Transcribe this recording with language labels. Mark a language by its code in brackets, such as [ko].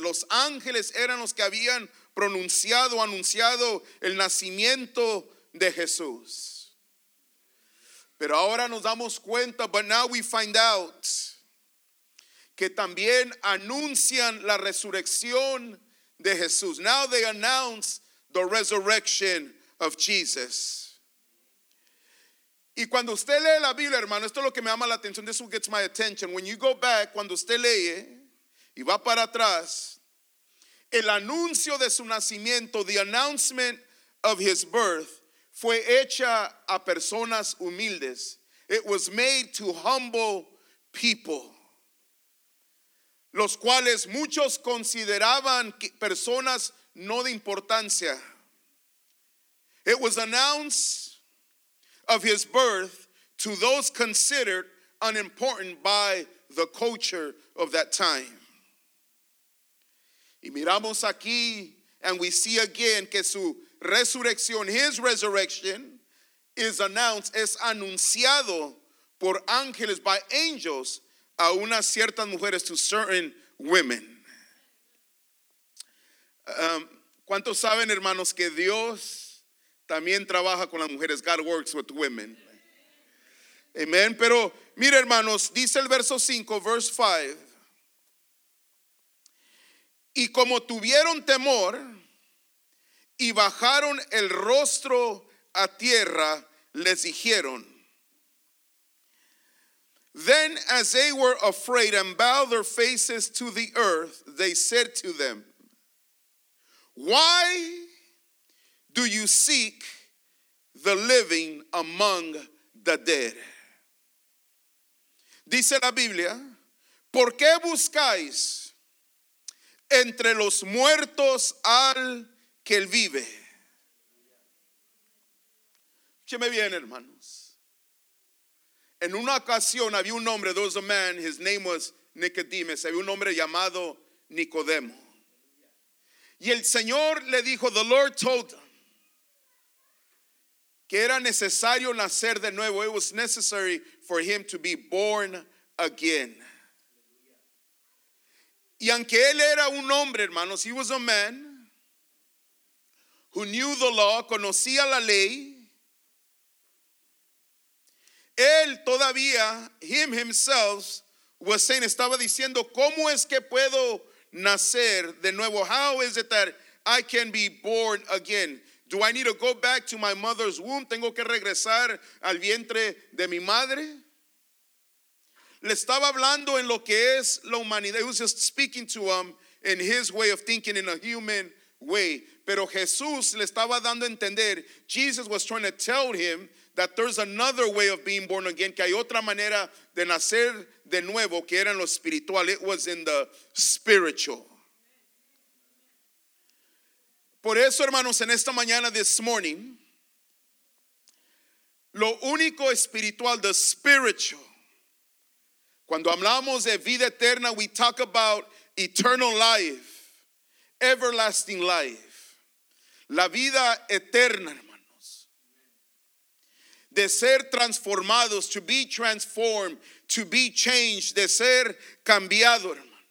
[es] Los ángeles eran los que habían pronunciado, anunciado el nacimiento de Jesús. Pero ahora nos damos cuenta, [en] but now we find out, [es] que también anuncian la resurrección de Jesús. [en] Now they announce the resurrection of Jesus. [es] Y cuando usted lee la Biblia, hermano, esto es lo que me llama la atención. [en] This is what gets my attention. When you go back, [es] cuando usted lee y va para atrás, el anuncio de su nacimiento, [en] the announcement of his birth, [es] fue hecha a personas humildes. [en] It was made to humble people. [es] Los cuales muchos consideraban personas no de importancia. [en] It was announced of his birth to those considered unimportant by the culture of that time. [es] Y miramos aquí, [en] and we see again [es] que su resurrección, [en] his resurrection, is announced, [es] es anunciado por ángeles, [en] by angels, [es] a unas ciertas mujeres, [en] to certain women. [es] ¿Cuántos saben, hermanos, que Dios también trabaja con las mujeres? [en] God works with women. Amen. [es] Pero mire, hermanos, dice el verso 5, [en] verse 5. [es] Y como tuvieron temor y bajaron el rostro a tierra, les dijeron, [en] then as they were afraid and bowed their faces to the earth, they said to them, why do you seek the living among the dead? [es] Dice la Biblia, ¿por qué buscáis entre los muertos al que él vive. Escúcheme bien, hermanos. En una ocasión había un hombre, [en] there was a man, his name was Nicodemus. [es] Había un hombre llamado Nicodemo. Y el Señor le dijo, [en] the Lord told him, [es] que era necesario nacer de nuevo. [en] It was necessary for him to be born again. [es] Y aunque él era un hombre, hermanos, [en] he was a man who knew the law, [es] conocía la ley, él todavía, [en] him himself, was saying, [es] estaba diciendo, ¿cómo es que puedo nacer de nuevo? [en] How is it that I can be born again? Do I need to go back to my mother's womb? [es] ¿Tengo que regresar al vientre de mi madre? Le estaba hablando en lo que es la humanidad. [en] He was just speaking to him in his way of thinking, in a human way. [es] Pero Jesús le estaba dando a entender. [en] Jesus was trying to tell him that there's another way of being born again. [es] Que hay otra manera de nacer de nuevo, que era en lo espiritual. [en] It was in the spiritual. [es] Por eso, hermanos, en esta mañana, [en] this morning, [es] lo único espiritual, [en] the spiritual, [es] cuando hablamos de vida eterna, [en] we talk about eternal life, everlasting life, [es] la vida eterna, hermanos, de ser transformados, [en] to be transformed, to be changed, [es] de ser cambiado, hermanos.